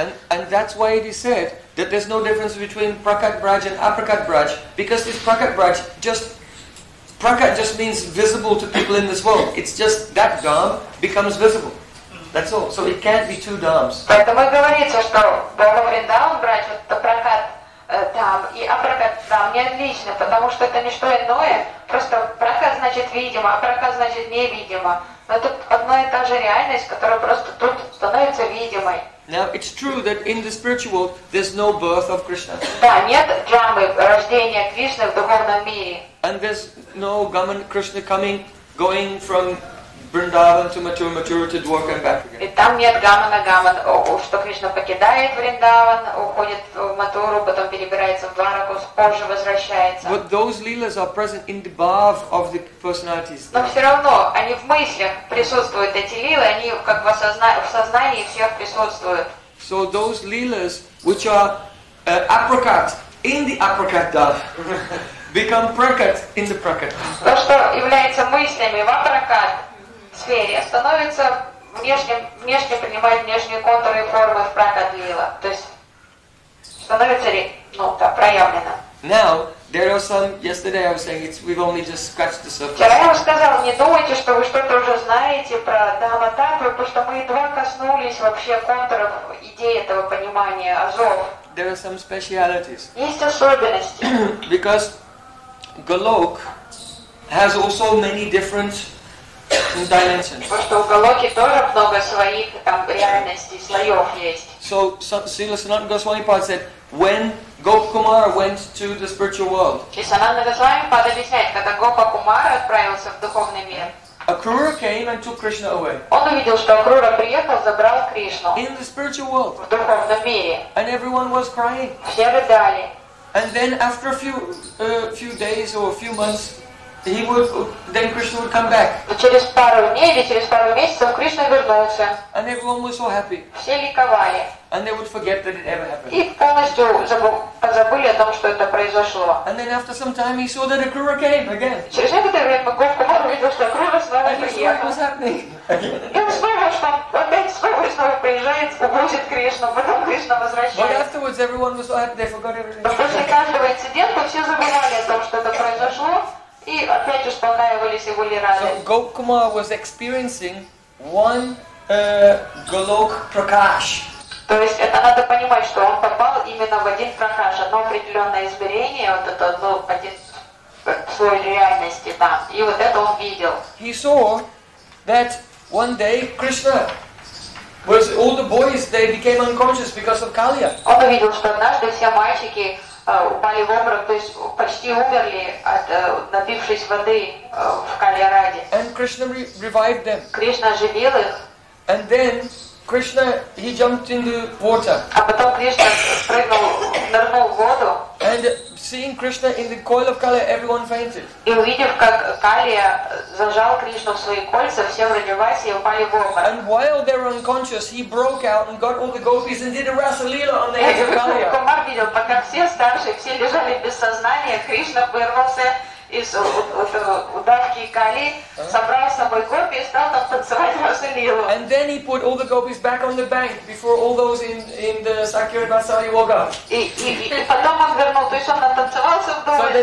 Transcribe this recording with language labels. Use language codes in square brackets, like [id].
[en] And that's why it is said that there's no difference between prakat braj and aprakat braj, because this prakat braj just Prakat just means visible to people in this world. It's just that dham becomes visible. That's all. So it can't be two dhams. [ru] Поэтому говорится, что Бога Вриндаван брать, вот это прокат дам и апракат дам не отлично, потому что это не что иное. Просто прокат значит видимо, апракат значит невидимо. Но тут одна и та же реальность, которая просто тут становится видимой. [en] Now it's true that in the spiritual world there's no birth of Krishna. [ru] Да, нет джамы рождения Кришны в духовном мире. [en] And there's no Gaman Krishna coming, going from Vrindavan to Mathura, Mathura to Dwarka and back again. [ru] И там нет Гамана, что Кришна покидает Вриндаван, уходит в Матуру, потом перебирается в Двараку, позже возвращается. [en] But those lilas are present in the bhav of the personalities. [ru] Но все равно они в мыслях присутствуют, эти лилы, они как в сознании всех присутствуют. So those lilas, which are aprakat, in the aprakat dhav, become prakat in the prakat. То, что является мыслями в апракат сфере, становится внешне принимает внешние контуры и формы в пракат лила. То есть становится ли, ну, так, проявлено. [en] Now, there are some, yesterday I was saying, we've only just scratched the surface. [ru] Вчера я вам сказал, не думайте, что вы что-то уже знаете про дхамма-таттву, потому что мы едва коснулись вообще контуров идеи этого понимания, азов. [en] There are some specialities. [ru] Есть особенности. [en] Because Golok has also many different dimensions. [ru] Потому что у Голоки тоже много своих там реальностей, слоев есть. [en] So Srila Sanatana Goswami Pada said, when Gopa Kumara went to the spiritual world. [ru] И Sanatana Goswami Pada объясняет, когда Гопа Кумара отправился в духовный мир. [en] Акрура came and took Krishna away. [ru] Он увидел, что Акрура приехал, забрал Кришну. [en] In the spiritual world. [ru] В духовном мире. [en] And everyone was crying. [ru] Все рыдали. [en] And then after a few days or a few months, Krishna would come back. [ru] Через пару дней или через пару месяцев Кришна вернулся. [en] And everyone was so happy. [ru] Все ликовали. [en] And they would forget that it ever happened. [ru] И полностью забыли о том, что это произошло. [en] And then after some time, he saw that Akrura came again. [ru] Через некоторое время Гопа Кумара увидел, что Акрура снова приехал. [en] And he saw what was happening. [ru] И он снова, что опять снова. снова приезжает, уводит Кришну, потом Кришна возвращается. [en] But afterwards everyone was like, they forgot everything. [ru] Но после каждого инцидента все забывали о том, что это произошло, и опять успокаивались и были рады. [en] So Gokumar was experiencing one Golok Prakash. [ru] То есть это надо понимать, что он попал именно в один Пракаш, одно определенное измерение, вот это одно, один слой реальности там. И вот это он видел. [en] He saw that one day Krishna was all the boys, they became unconscious because of Kaliya. [ru] Он увидел, что однажды все мальчики упали в обморок, то есть почти умерли, напившись воды в Калия-раде. [en] And Krishna revived them. [ru] Krishna оживил их. [en] And then Krishna, he jumped in the water. [ru] А потом Кришна нырнул в воду. [en] And seeing Krishna in the coil of Kali, everyone fainted. [ru] И увидев, как Калия зажал Кришну в свои кольца, все врадевались и упали в обморок. [en] And while they were unconscious, he broke out and got all the gopis and did a rasa lila on the edge of Kali. [ru] Кумар видел, пока все старшие, все лежали без сознания, Кришна вырвался из удавки Кали, собрал с собой гопи и стал там танцевать расу лилу. [en] And then he put all the gopis back on the bank before all those in the Sakyavasa Yoga. [ru] И потом он вернул, то есть он натанцевался в доме,